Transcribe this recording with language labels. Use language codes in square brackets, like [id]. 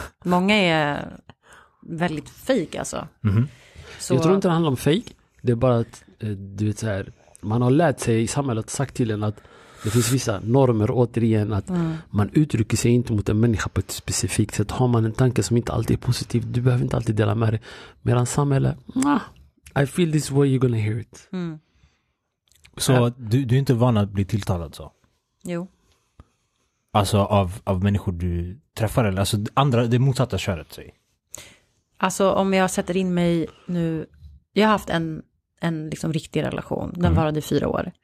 [sv] Många är väldigt fake alltså. Så... Jag tror inte det handlar om fake. Det är bara att du vet, så här, man har lärt sig i samhället sagt till en att det finns vissa normer återigen att man uttrycker sig inte mot en människa på ett specifikt sätt. Har man en tanke som inte alltid är positiv, du behöver inte alltid dela med dig. Medan samhället, [en] I feel this way, you're gonna hear it. [sv] Så du är inte van att bli tilltalad så? Jo. Alltså av människor du träffar eller alltså andra, det motsatta köret sig. Alltså om jag sätter in mig nu, jag har haft en liksom riktig relation, den varade 4 år.